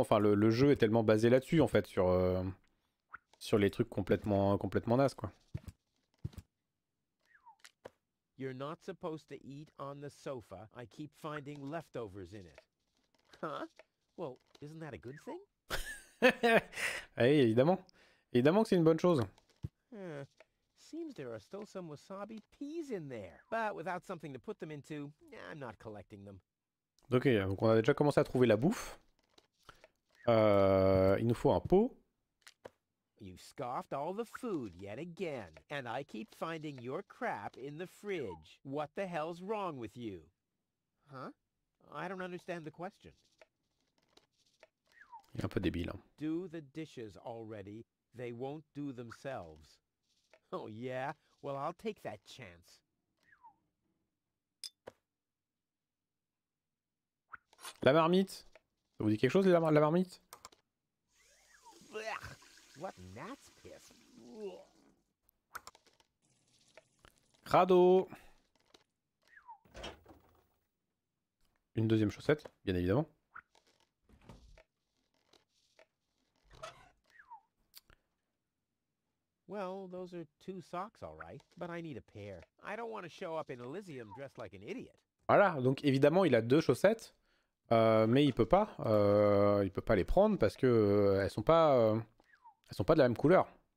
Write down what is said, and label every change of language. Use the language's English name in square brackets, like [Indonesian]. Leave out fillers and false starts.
[French] Enfin, le jeu est tellement basé là-dessus, en fait, sur les trucs complètement nasses, quoi. [English] You're not supposed to eat on the sofa. I keep finding leftovers in it. Huh? Well, isn't that a good thing? [French] Hey, évidemment. Évidemment que c'est une bonne chose. [English] Seems there are still some wasabi peas in there. But without something to put them into, I'm not collecting them. [French] Ok, donc on a déjà commencé à trouver la bouffe. Il nous faut un pot. [English] You scoffed all the food yet again. And I keep finding your crap in the fridge. What the hell's wrong with you? Huh? I don't understand the question. [French] Il est un peu débile. Hein. [English] Do the dishes already. They won't do themselves. Oh yeah. Well, I'll take that chance. [French] La marmite. Ça vous dit quelque chose, la marmite? [English] What gnat's piss? [French] Crado! Une deuxième chaussette, bien évidemment. [English] Well, those are two socks, all right, but I need a pair. I don't want to show up in Elysium dressed like an idiot. [French] Voilà, donc évidemment, il a deux chaussettes, mais il peut pas, les prendre parce que elles sont pas de la même couleur.